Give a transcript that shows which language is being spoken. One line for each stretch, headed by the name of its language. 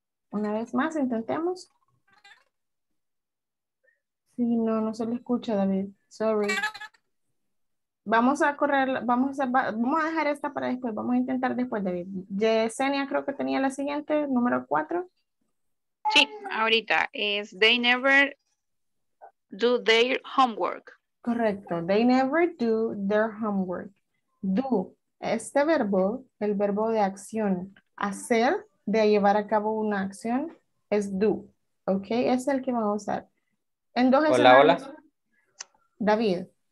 Spanish: Una vez más, intentemos. Sí, no, no se lo escucha, David. Sorry. Vamos a correr, vamos a dejar esta para después, vamos a intentar después, David. Yesenia creo que tenía la siguiente, número 4. Sí, ahorita es,
English: they never do their homework.
Spanish: Correcto,
English: they never do their homework.
Spanish: Do, este verbo, el verbo de acción, hacer, de llevar a cabo una acción, es do. Ok, es el que vamos a usar. En dos escenarios. Hola, hola. David.